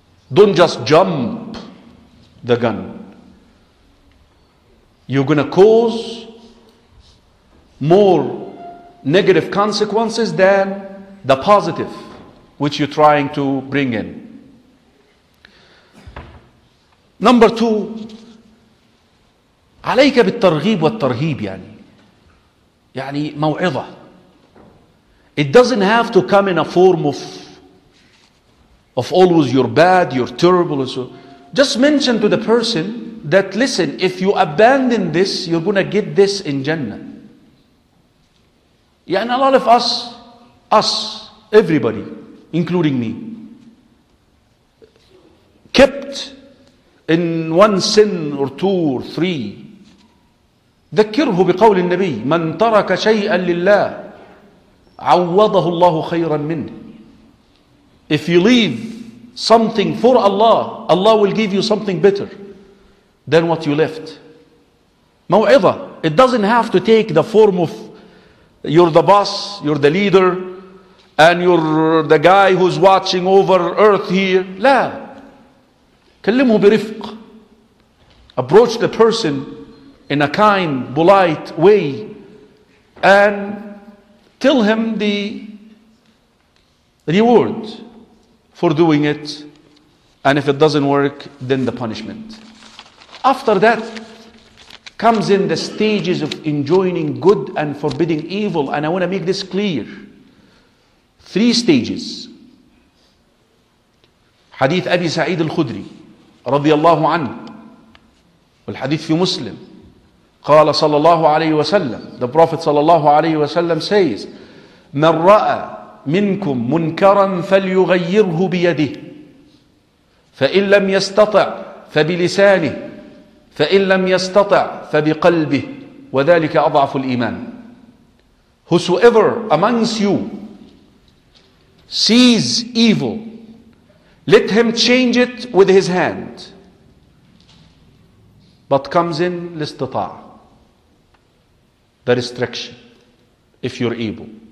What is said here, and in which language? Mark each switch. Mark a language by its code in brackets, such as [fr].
[en] Don't just jump the gun. You're going to cause more negative consequences than the positive which you're trying to bring in. Number two, [ar] عليك بالترغيب والترهيب يعني يعني موعظة. [en] It doesn't have to come in a form of always you're bad, you're terrible. So just mention to the person that, listen, if you abandon this, you're going to get this in Jannah. Yeah, and a lot of us, everybody, including me, kept in one sin or two or three. [ar] ذكره بقول النبي من ترك شيئا لله عوضه الله خيرا منه. [en] If you leave something for Allah, Allah will give you something better than what you left. [ar] موعظة. [en] It doesn't have to take the form of you're the boss, you're the leader, and you're the guy who's watching over earth here. [ar] لا. كلمه برفق. [en] Approach the person in a kind, polite way and tell him the reward for doing it, and if it doesn't work, then the punishment. After that comes in the stages of enjoining good and forbidding evil, and I want to make this clear. Three stages. [ar] Hadith Abi Sa'id al-Khudri radiyallahu anhu, al-hadith fi Muslim, قال صلى الله عليه وسلم, [en] the Prophet [ar] صلى الله عليه وسلم says, من رأى منكم منكرا فليغيره بيده فإن لم يستطع فبلسانه فإن لم يستطع فبقلبه وذلك أضعف الإيمان. [en] Whosoever amongst you sees evil, let him change it with his hand, but comes in الاستطاع, the restriction, if you're able.